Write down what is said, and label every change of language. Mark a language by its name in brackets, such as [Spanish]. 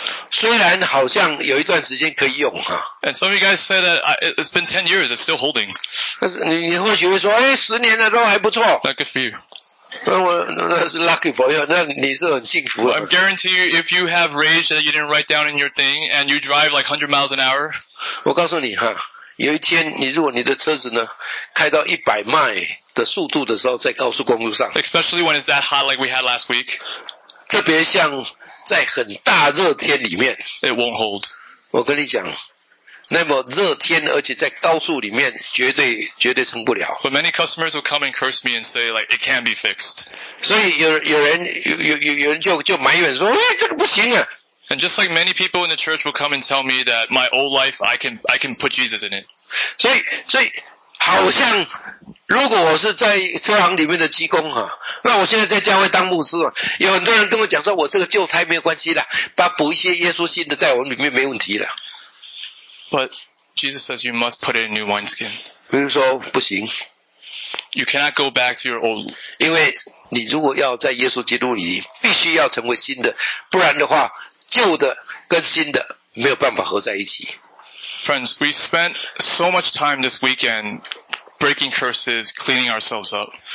[Chinese] 虽然好像有一段时间可以用, [English] and some of you guys said that it's been 10 years, it's still holding. [Chinese] 但是你或许会说, 哎, 10年了都还不错。 [English] Lucky for you. [Chinese] 那是 [English] lucky for you, [Chinese] 那你是很幸福的。 [English] I guarantee you, if you have rage that you didn't write down in your thing, and you drive like 100 miles an hour. [Chinese] 我告诉你, 有一天,如果你的车子呢, 开到 100 mile的速度的时候, 在高速公路上。 [English] Especially when it's that hot like we had last week. [Chinese] 特别像在很大热天里面, [English] it won't hold. [Chinese] 我跟你讲, 那么热天而且在高速里面, 绝对撑不了。 [English] But many customers will come and curse me and say, like, it can't be fixed. [Chinese] 所以有人就埋怨说, 哎, 这个不行啊。 [English] And just like many people in the church will come and tell me that my old life, I can put Jesus in it. [Chinese] 所以好像, 如果我是在车行里面的机工啊, 那我现在在教会当牧师啊, 有很多人跟我讲说, 我这个旧胎没有关系啦, 把补一些耶稣新的在我们里面没问题啦。 [English] But Jesus says you must put in a new wineskin. [Chinese] 比如说不行。 [English] You cannot go back to your old. [Chinese] 因为你如果要在耶稣基督里, 必须要成为新的, 不然的话, 旧的跟新的没有办法合在一起。 [English] Friends, we spent so much time this weekend breaking curses, cleaning ourselves up.